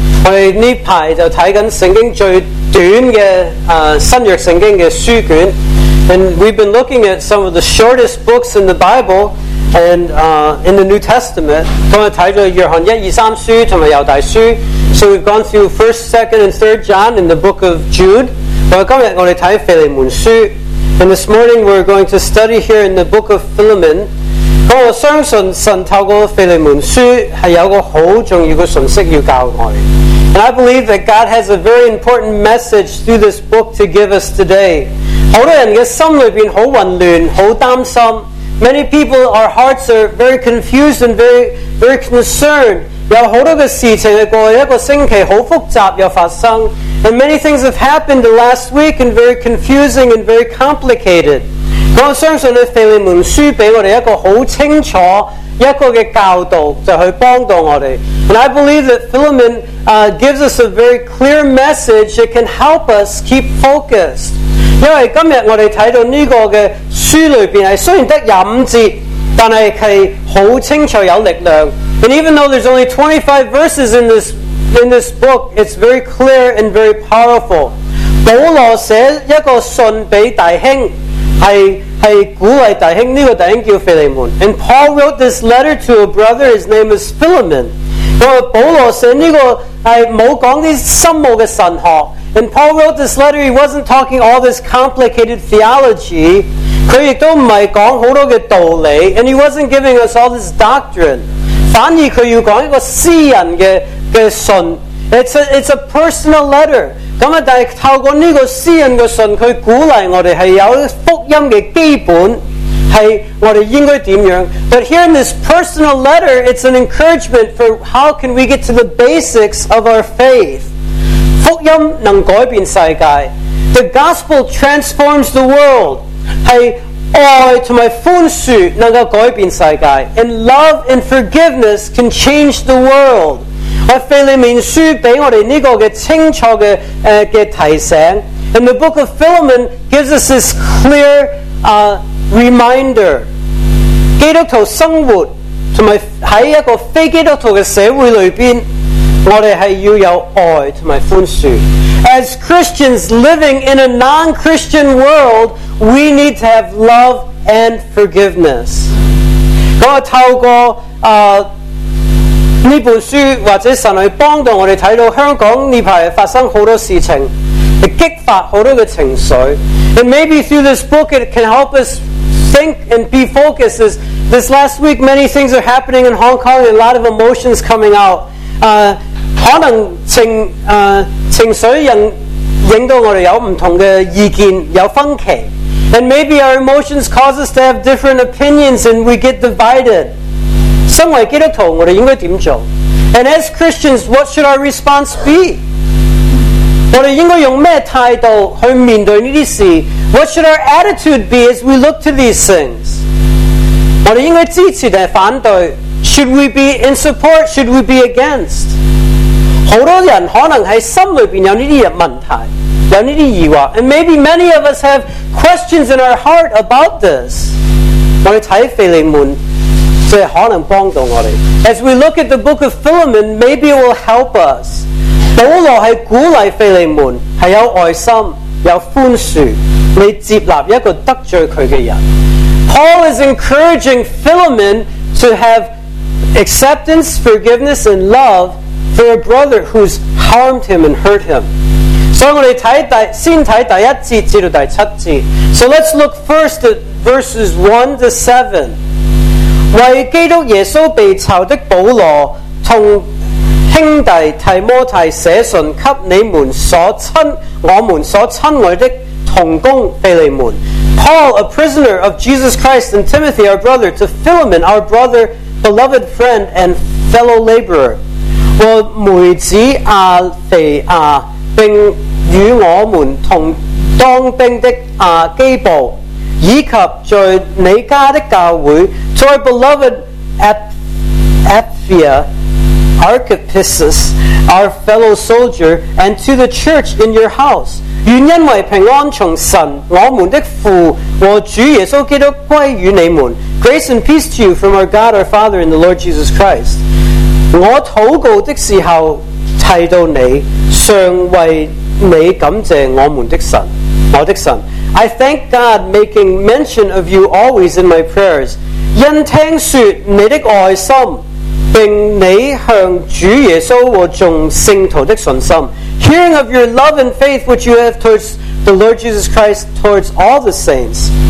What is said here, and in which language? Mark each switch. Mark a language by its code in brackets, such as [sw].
[zh] 我们这排就看着圣经最短的新约圣经的书卷。 [en] And we've been looking at some of the shortest books in the Bible and in the New Testament. [zh] 我们看着约翰一、二、三书和犹大书。 [en] So we've gone through 1st, 2nd, and 3rd John in the book of Jude. [zh] 今天我们看腓利门书。 [en] And this morning we're going to study here in the book of Philemon. [zh] 我相信神透过腓利门书是有个很重要的信息要教我们。 [en] And I believe that God has a very important message through this book to give us today. [zh] 很多人的心里面很混乱，很担心。 [en] Many people, our hearts are very confused and very, very concerned. [zh] 有很多的事情过去一个星期很复杂又发生。 [en] And many things have happened the last week and very confusing and very complicated. [zh] 我相信腓利门书给我们一个很清楚一个的教导，就去帮助我们。 [en] And I believe that Philemon gives us a very clear message that can help us keep focused. [zh] 因为今天我们看到这个的书里面虽然只有25节，但是是很清楚有力量。 [en] And even though there's only 25 verses in this book, it's very clear and very powerful. [zh] 保罗写一个信给弟兄，是鼓励弟兄，这个弟兄叫腓利门。 [en] And Paul wrote this letter to a brother, his name is Philemon. [zh] 保罗写这个是没讲这些深奥的神学。 [en] And Paul wrote this letter, he wasn't talking all this complicated theology. [zh] 他也都不是讲很多的道理。 [en] And he wasn't giving us all this doctrine. [zh] 反而他要讲一个私人的信。 [en] It's a personal letter. [zh] 但是透过这个私人的信，他鼓励我们是有福音的基本，是我们应该怎样。 [en] But here in this personal letter, it's an encouragement for how can we get to the basics of our faith. [zh] 福音能改变世界。 [en] The gospel transforms the world. [zh] 是爱和宽恕能够改变世界。 [en] And love and forgiveness can change the world. [zh] 腓利门书给我们这个清楚 的提醒。 [en] And the book of Philemon gives us this clear reminder. [zh] 基督徒生活和在一个非基督徒的社会里面，我们是要有爱和宽恕。 [en] As Christians living in a non-Christian world, we need to have love and forgiveness. [zh] 我们透过这本书或者神去帮助我们看到香港这排发生很多事情，去激发很多的情绪。 [en] And maybe through this book it can help us think and be focused. This last week many things are happening in Hong Kong and a lot of emotions coming out. [zh] 可能 情绪引到我们有不同的意见，有分歧。 [en] And maybe our emotions cause us to have different opinions and we get divided. [zh] 身为基督徒，我们应该怎么做？ [en] And as Christians, what should our response be? [zh] 我们应该用什么态度去面对这些事？ [en] What should our attitude be as we look to these things? [zh] 我们应该支持还是反对？ [en] Should we be in support? Should we be against? [zh] 很多人可能在心里面有这些问题，有这些疑惑。 [en] And maybe many of us have questions in our heart about this. [zh] 我们看腓利门，所以可能帮助我们。 [en] As we look at the book of Philemon, maybe it will help us. [zh] 保罗是鼓励腓利门是有爱心有宽恕来接纳一个得罪他的人。 [en] Paul is encouraging Philemon to have acceptance, forgiveness and love for a brother who's harmed him and hurt him. [zh] 所以我们先看第一节至到第七节。 [en] So let's look first at verses 1 to 7. [zh] 为基督耶稣被囚的保罗，同兄弟提摩太写信给你们所亲，我们所亲爱的同工腓利门。 [en] Paul, a prisoner of Jesus Christ, and Timothy, our brother, to Philemon, our brother, beloved friend, and fellow laborer. [zh] 我妹子阿菲阿并与我们同当兵的亚基布，以及在你家的教会，在 [en] beloved Apphia Archippus, our fellow soldier, and to the church in your house. [zh] 愿因为平安从神，我们的父和主耶稣基督归于你们。 [en] Grace and peace to you from our God, our Father, and the Lord Jesus Christ. [zh] 我祷告的时候提到你，常为你感谢我们的神，我的神。 [en] I thank God, making mention of you always in my prayers. [zh] 因听说你的爱心，并你向主耶稣和众圣徒的信心。 [en] Hearing of your love and faith which you have towards the Lord Jesus Christ, towards all the saints.